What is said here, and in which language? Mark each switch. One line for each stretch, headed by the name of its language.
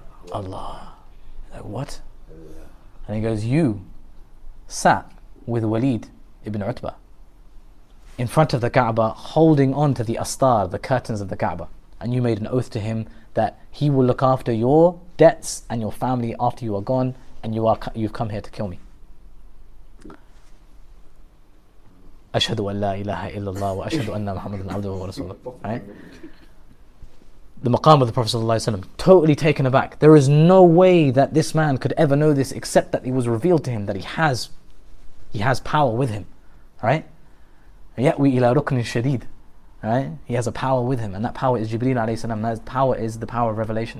English: Allah. He's like, what? And he goes, you sat with Walid ibn Utbah in front of the Kaaba, holding on to the astar, the curtains of the Kaaba, and you made an oath to him that he will look after your debts and your family after you are gone, and you've come here to kill me.
Arabic: أشهد أن لا إله إلا الله وأشهد أن محمد عبده ورسوله.
English: The maqam of the Prophet sallallahu alaihi wasallam, totally taken aback. There is no way that this man could ever know this except that it was revealed to him that he has power with him, right?
Arabic: يأوي إلى ركن شديد,
English: right? He has a power with him, and that power is Jibreel alayhi salam. That power is the power of revelation.